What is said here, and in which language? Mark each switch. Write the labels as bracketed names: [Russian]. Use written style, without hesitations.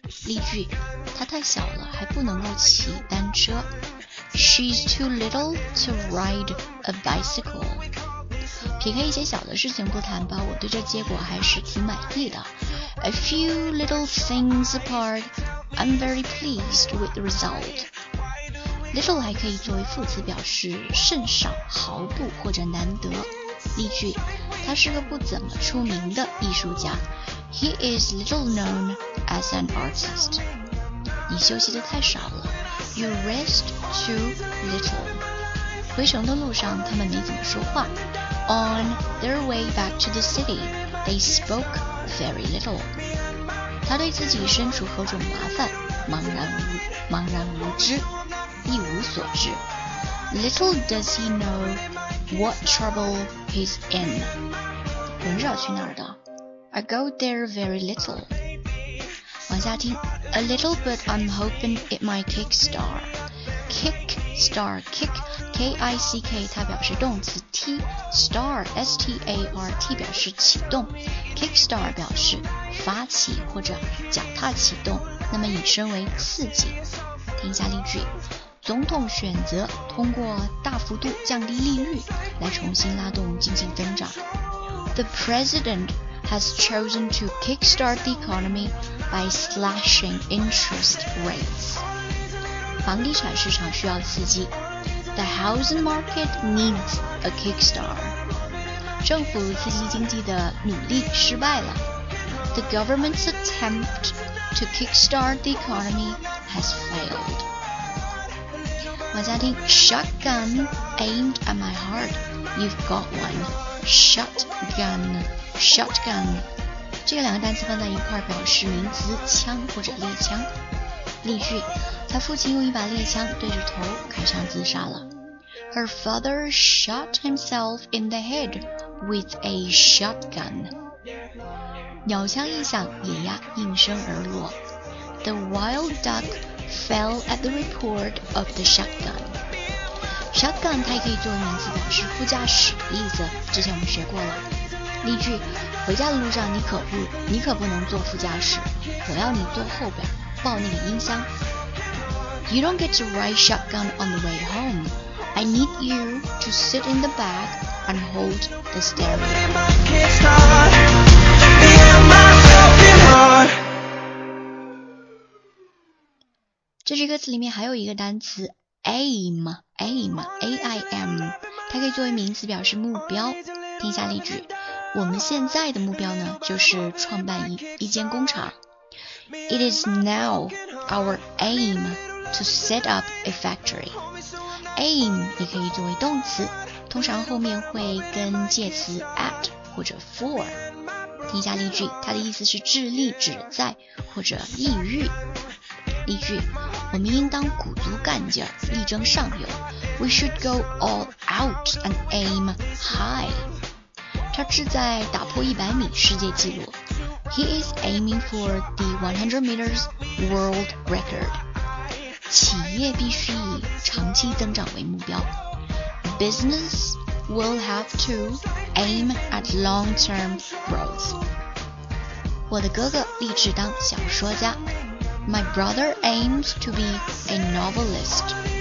[Chinese] 例句，它太小了还不能够骑单车。 [English] She's too little to ride a bicycle. [Chinese] 撇开一些小的事情不谈吧，我对这结果还是挺满意的。 [English] A few little things apart, I'm very pleased with the result. [Chinese] Little 还可以作为副词，表示甚少、毫不或者难得。例句，他是个不怎么出名的艺术家。 [English] He is little known as an artist. [Chinese] 你休息的太少了。 [English] You rest too little. [Chinese] 回城的路上他们没怎么说话。 [English] On their way back to the city, they spoke very little. [Chinese] 他对自己身处何种麻烦茫然无知，一无所知。 [English] Little does he know what trouble he's in. [Chinese] 人是要去哪儿的？ [English] I go there very little. [Chinese] 往下听。 [English] A little but I'm hoping it might kick star. [Chinese] Kick star, kick, K-I-C-K, 它表示动词踢。 Star, S-T-A-R-T, 表示启动。Kick star 表示发起或者脚踏启动，那么引申为刺激。听一下例句。总统选择通过大幅度降低利率来重新拉动经济增长。 [English] The president has chosen to kickstart the economy by slashing interest rates. [Chinese] 房地产市场需要刺激。 [English] The housing market needs a kickstart. [Chinese] 政府刺激经济的努力失败了。 [English] The government's attempt to kickstart the economy has failed. [Chinese] 往下听 [English] Shotgun aimed at my heart. You've got one. Shotgun. Shotgun. [Chinese] 这个两个单词放在一块表示名词枪或者猎枪。例句，他父亲用一把猎枪对着头开枪自杀了。 [English] Her father shot himself in the head with a shotgun. [Chinese] 鸟枪一响，野鸭应声而落。 [English] The wild duck fell at the report of the shotgun. [Chinese] Shotgun 它也可以作为名词表示副驾驶的意思，之前我们学过了。例句，回家的路上你可不能坐副驾驶，我要你坐后边抱那个音箱。 [English] You don't get to ride shotgun on the way home. I need you to sit in the back and hold the stereo. [Chinese] 这支歌词里面还有一个单词 aim, A-I-M, 它可以作为名词表示目标。听一下例句，我们现在的目标呢，就是创办一间工厂。 [English] It is now our aim to set up a factory. [Chinese] Aim 也可以作为动词，通常后面会跟介词 at 或者 for。听一下例句，它的意思是致力、旨在或者意欲。例句，我们应当鼓足干劲，力争上游。 [English] We should go all out and aim high. [Chinese] 他志在打破100米世界纪录。 [English] He is aiming for the 100 meters world record. [Chinese] 企业必须以长期增长为目标。 [English] Business will have to aim at long-term growth. [Chinese] 我的哥哥立志当小说家。 [English] My brother aims to be a novelist.